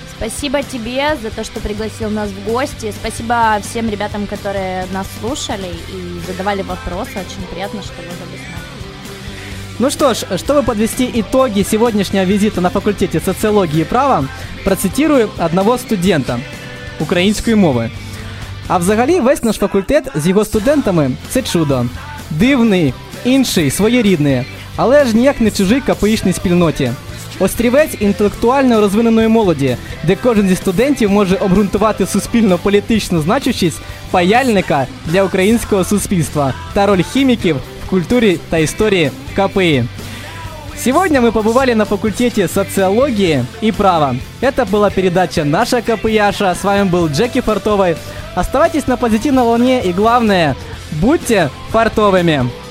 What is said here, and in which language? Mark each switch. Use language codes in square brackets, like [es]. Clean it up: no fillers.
[ru] Спасибо тебе за то, что пригласил нас в гости. Спасибо всем ребятам, которые нас слушали и задавали вопросы. Очень приятно, что вы были с нами. Ну что ж, чтобы подвести итоги сегодняшнего визита на факультете социологии и права, процитирую одного студента украинской мовы. [uk] А взагалі весь наш факультет з його студентами – це чудо. Дивний, інший, своєрідний, але ж ніяк не чужий КПІшній спільноті. Острівець інтелектуально розвиненої молоді, де кожен зі студентів може обґрунтувати суспільно-політичну значущість паяльника для українського суспільства та роль хіміків в культурі та історії КПІ. [ru] Сегодня мы побывали на факультете социологии и права. Это была передача «Наша КПИ-аша». С вами был Джеки Фартовой. Оставайтесь на позитивной волне и главное, будьте фартовыми!